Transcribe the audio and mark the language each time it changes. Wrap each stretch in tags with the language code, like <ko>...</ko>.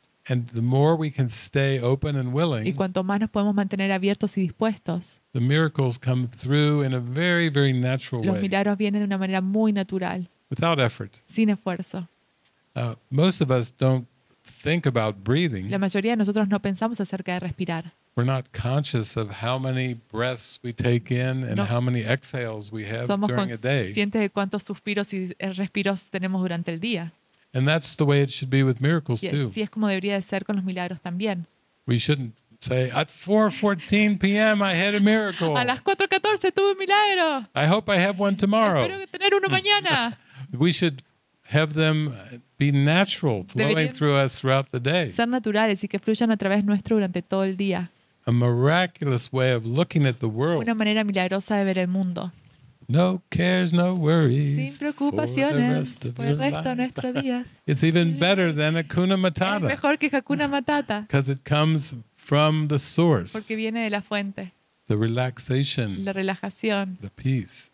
<en>And the more we can stay open and willing.</en> <es>Y cuanto más nos podemos mantener abiertos y dispuestos.</es> <en>The miracles come through in a very, very natural way.</en> <es>Los milagros vienen de una manera muy natural.</es> <en>Without effort.</en> <es>Sin esfuerzo.</es> <en>Most of us don't think about breathing.</en> <es>La mayoría de nosotros no pensamos acerca de respirar.</es> <en>We're not conscious of how many breaths we take in and how many exhales we have during a day.</en> <es>Somos conscientes de cuántos suspiros y respiros tenemos durante el día.</es> <en>And that's the way it should be with miracles too.</en> <es>Y así es como debería de ser con los milagros también.</es> <en>We shouldn't say at 4:14 p.m. I had a miracle.</en> <es>A las 4:14 tuve un milagro.</es> <en>I hope I have one tomorrow.</en> <es>Espero tener uno mañana.</es> <en>We should have them be natural, flowing through us throughout the day.</en> <es>Ser naturales y que fluyan a través nuestro durante todo el día.</es> <en>A miraculous way of looking at the world.</en> <es>Una manera milagrosa de ver el mundo.</es> <en>No cares, no worries.</en> <es>Sin preocupaciones por el resto de nuestros días.</es> <en>It's even better than Hakuna Matata.</en> <es>Es mejor que Hakuna Matata.</es> <en>Because it comes from the source.</en> <es>Porque viene de la fuente.</es> <en>The relaxation.</en> <es>La relajación.</es> <en>The peace.</en>